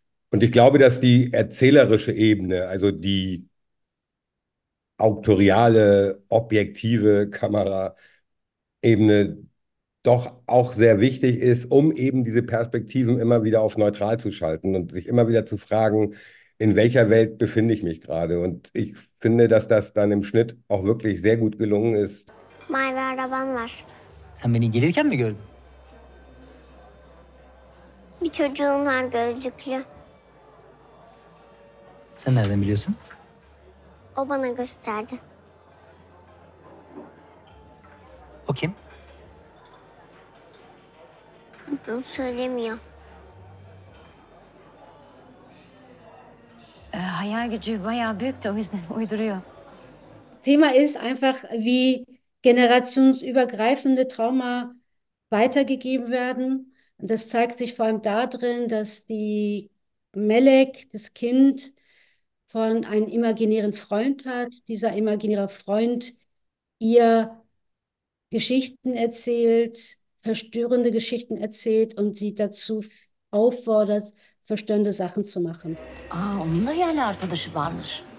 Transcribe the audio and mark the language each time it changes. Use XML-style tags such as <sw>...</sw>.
<de>Und ich glaube, dass die erzählerische Ebene, also die autoriale, objektive Kamera-Ebene, doch auch sehr wichtig ist, um eben diese Perspektiven immer wieder auf neutral zu schalten und sich immer wieder zu fragen, in welcher Welt befinde ich mich gerade? Und ich finde, dass das dann im Schnitt auch wirklich sehr gut gelungen ist.</de> <tr>Mavi araban var. Sen beni gelirken mi gördün? Bir çocuğun var gözlüklü. Sen nereden biliyorsun? O bana gösterdi. O kim? Onu söylemiyor. Hayal gücü bayağı büyük de o yüzden uyduruyor.</tr> <de>Thema ist einfach, wie generationsübergreifende Trauma weitergegeben werden. Und das zeigt sich vor allem darin, dass die Melek das Kind von einem imaginären Freund hat. Dieser imaginäre Freund ihr Geschichten erzählt, verstörende Geschichten erzählt und sie dazu auffordert, verstörende Sachen zu machen.</de> <tr>Ah, onun da yani arkadaşı varmış.</tr>